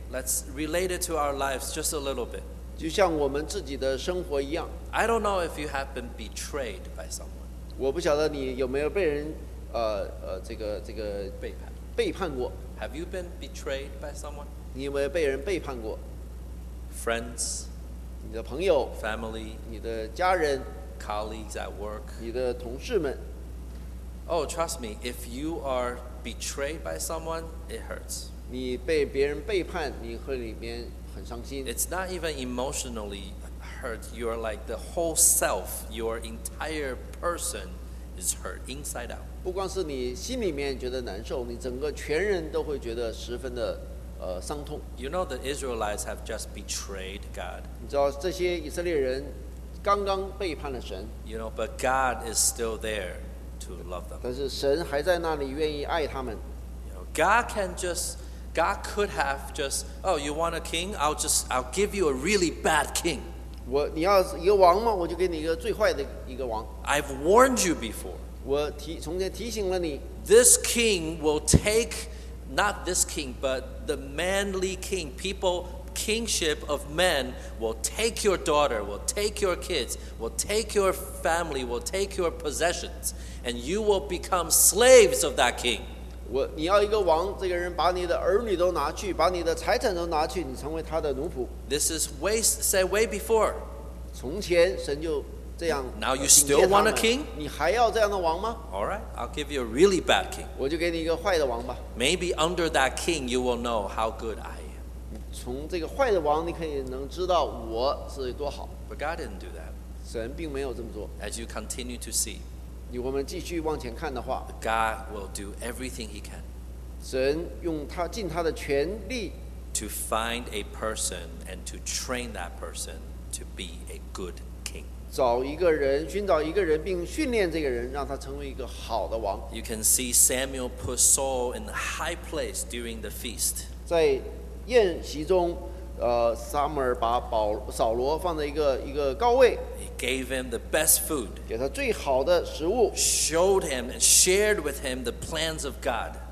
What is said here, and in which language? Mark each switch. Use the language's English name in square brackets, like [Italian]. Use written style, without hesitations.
[English] Let's relate it to our lives just a little bit. [Chinese] 就像我们自己的生活一样。 [English] I don't know if you have been betrayed by someone. [Chinese] 我不晓得你有没有被人这个背叛过。 [English] Have you been betrayed by someone? [Chinese] 你有没有被人背叛过？ [English] Friends. [Chinese] 你的朋友。 [English] Family. [Chinese] 你的家人。 [English] Colleagues at work. [Chinese] 你的同事们。 [English] Oh, trust me, if you are betrayed by someone, it hurts. [Chinese] 你被别人背叛，你会里面很伤心。 [English] It's not even emotionally hurt. You're like the whole self, your entire person is hurt inside out. [Chinese] 不光是你心里面觉得难受，你整个全人都会觉得十分的伤痛。 [English] You know the Israelites have just betrayed God. [Chinese] 你知道这些以色列人刚刚背叛了神。 [English] You know, but God is still there. To love them. [Chinese] 但是神还在那里愿意爱他们。 [English] God could have just, oh, you want a king? I'll give you a really bad king. [Chinese] 你要一个王吗？我就给你一个最坏的一个王。 [English] I've warned you before. [Chinese] 从前提醒了你。 [English] This king will take, not this king, but the manly king, people, kingship of men will take your daughter, will take your kids, will take your family, will take your possessions. And you will become slaves of that king. [Chinese] 你要一个王，这个人把你的儿女都拿去，把你的财产都拿去，你成为他的奴仆。 [English] This is way said way before. [Chinese] 从前神就这样。 [English] Now you still want a king? [Chinese] 你还要这样的王吗？ [English] All right, I'll give you a really bad king. [Chinese] 我就给你一个坏的王吧。 [English] Maybe under that king, you will know how good I am. [Chinese] 从这个坏的王，你可以能知道我是多好。 [English] But God didn't do that. [Chinese] 神并没有这么做。 [English] As you continue to see. [Chinese] 我们继续往前看的话， [English] God will do everything he can. [Chinese] 神用他尽他的全力 [English] to find a person and to train that person to be a good king. [Chinese] 找一个人，寻找一个人，并训练这个人，让他成为一个好的王。 [English] You can see Samuel put Saul in a high place during the feast. [Chinese] 在宴席中，撒母耳把扫罗放在一个高位。 [English] Gave him the best food. [Chinese] 给他最好的食物。 [English] Showed him and shared with him the plans of God.